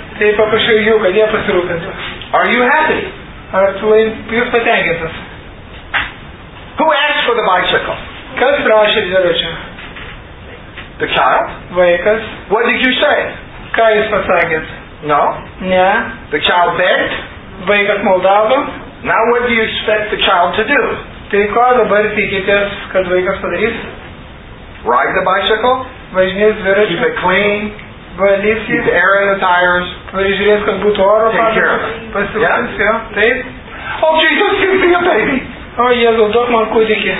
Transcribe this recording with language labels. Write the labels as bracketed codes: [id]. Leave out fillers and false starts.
[lt] Tai paprašiau jų, kad jie pasirūpintų. [en] Are you happy? [lt] Ar jūs patenkintas? [en] Who asked for the bicycle? [lt] Kas prašė dviračio? [en] The child? [lt] Vaikas. [en] What did you say? [lt] Ką jūs pasakėt? [en] No. [lt] Ne. [en] The child begged? [lt] Vaikas maldavo. [en] Now what do you expect the child to do? [lt] Tai ko dabar tikitės, kad vaikas padarys? [en] Ride the bicycle? [lt] Važinės dviračio. [en] Keep it clean? [lt] Valys jį. [en] Keep air in the tires? [lt] Pažiūrės, kad būtų oro padarys. Pasirūpins, jo. Taip. [en] Oh, Jesus, give me a baby! [lt] Oh, Jėzau, duok man kūdikį.